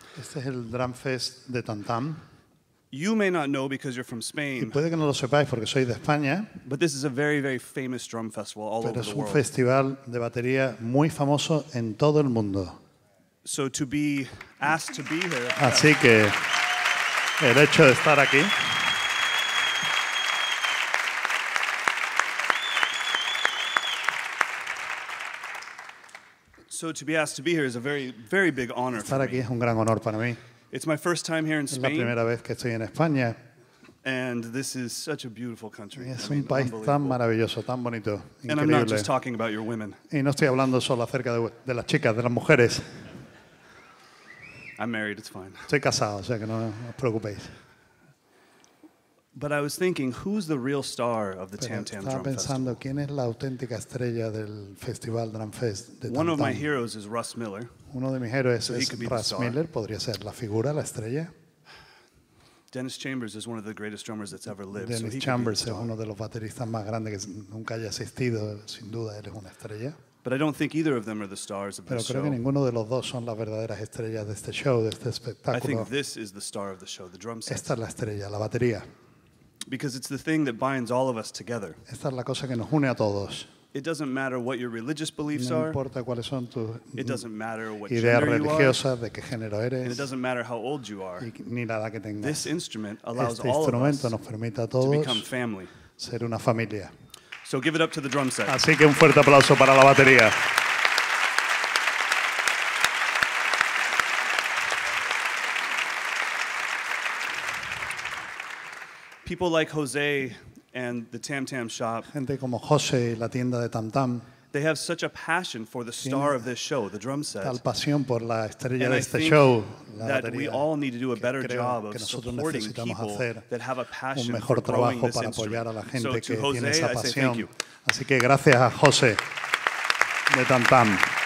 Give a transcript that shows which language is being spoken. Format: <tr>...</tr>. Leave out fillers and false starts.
<es>Este es el Drum Fest de Tam Tam.</es> <en>You may not know because you're from Spain.</en> <es>Y puede que no lo sepáis porque soy de España.</es> <en>But this is a very, very famous drum festival all over the world.</en> <es>Pero es un festival de batería muy famoso en todo el mundo.</es> <en>So to be asked to be here.</en> <es>Así que el hecho de estar aquí.</es> <en>So to be asked to be here is a very, very big honor.</en> <es>Estar aquí es un gran honor para mí.</es> <en>It's my first time here in Spain.</en> <es>Es la primera vez que estoy en España.</es> <en>And this is such a beautiful country.</en> <es>Es un país tan maravilloso, tan bonito, increíble.</es> <en>And I'm not just talking about your women.</en> <es>Y no estoy hablando solo acerca de las chicas, de las mujeres.</es> <en>I'm married, it's fine.</en> <es>Estoy casado, o sea que no os preocupéis.</es> <en>But I was thinking, who's the real star of the Tam Tam Drum Festival?</en> <es>Pensando, ¿quién es la auténtica estrella del Festival Drum Fest de Tam Tam?</es> <en>One of my heroes is Russ Miller.</en> <es>Uno de mis héroes es Russ Miller, podría ser la figura, la estrella.</es> <en>Dennis Chambers is one of the greatest drummers that's ever lived.</en> <es>Dennis Chambers es uno de los bateristas más grandes que nunca haya existido, sin duda él es una estrella.</es> <en>But I don't think either of them are the stars of the show.</en> <es>Pero creo que ninguno de los dos son las verdaderas estrellas de este show, de este espectáculo.</es> <en>I think this is the star of the show, the drum set.</en> <es>Esta es la estrella, la batería.</es> <en>Because it's the thing that binds all of us together.</en> <es>Esta es la cosa que nos une a todos.</es> <en>It doesn't matter what your religious beliefs are.</en> <es>No importa cuáles son tus ideas religiosas, de qué género eres.</es> <en>And it doesn't matter how old you are.</en> <es>Ni la edad que tengas.</es> <en>This instrument allows all of us.</en> <es>Este instrumento nos permite a todos</es> <en>to become family.</en> <es>Ser una familia.</es> <en>So give it up to the drum set.</en> <es>Así que un fuerte aplauso para la batería.</es> <en>People like Jose and the Tam Tam shop.</en> <es>Gente como José y la tienda de Tam Tam.</es> <en>They have such a passion for the star of this show, the drum set.</en> <es>Tal pasión por la estrella</es> <en>and</en> <es>de este show, la batería.</es> <en>That we all need to do a better job of supporting people that have a passion for growing this instrument. So to Jose, I say thank you.</en> <es>Así que gracias a José de Tam Tam.</es>